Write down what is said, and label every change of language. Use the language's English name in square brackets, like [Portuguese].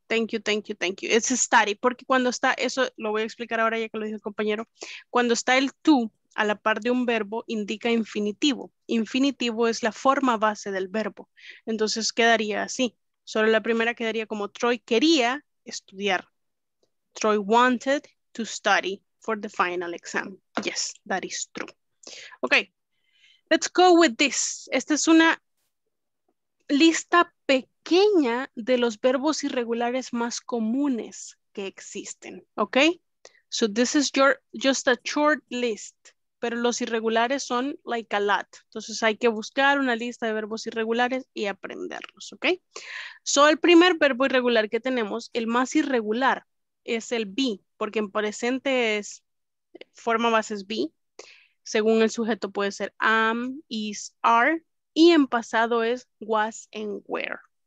[English] Thank you, thank you, thank you. It's study. [Spanish] Porque cuando está, eso lo voy a explicar ahora ya que lo dijo el compañero. Cuando está el tú a la par de un verbo, indica infinitivo. Infinitivo es la forma base del verbo. Entonces quedaría así. Solo la primera quedaría como Troy quería estudiar. [English] Troy wanted to study for the final exam. Yes, that is true. Ok, let's go with this. [Spanish] Esta es una lista pequeña de los verbos irregulares más comunes que existen. [English] Ok, so this is your just a short list. [Spanish] Pero los irregulares son [English] like a lot. [Spanish] Entonces hay que buscar una lista de verbos irregulares y aprenderlos, ¿ok? So, el primer verbo irregular que tenemos, el más irregular, es el be, porque en presente es, forma base es be. Según el sujeto puede ser am, is, are, y en pasado es [English] was and were.